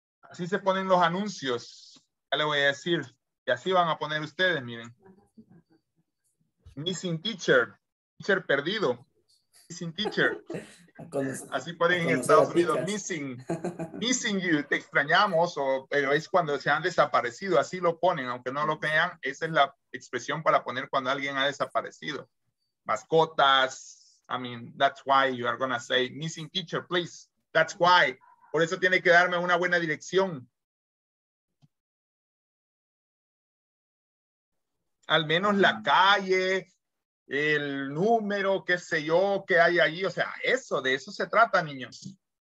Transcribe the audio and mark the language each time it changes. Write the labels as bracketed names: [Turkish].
[Spanish] Así se ponen los anuncios. Ya le voy a decir. Y así van a poner ustedes, miren. [English] Missing teacher. [Spanish] Teacher perdido. Missing teacher. Así ponen en Estados Unidos. Missing. [English] Missing you. [Spanish] Te extrañamos. Pero es cuando se han desaparecido. Así lo ponen. Aunque no lo crean, esa es la expresión para poner cuando alguien ha desaparecido. Mascotas. [English] I mean, that's why you are going to say missing teacher, please. That's why. [Spanish] Por eso tiene que darme una buena dirección. Al menos la calle, el número, qué sé yo, qué hay ahí. O sea, eso, de eso se trata, niños.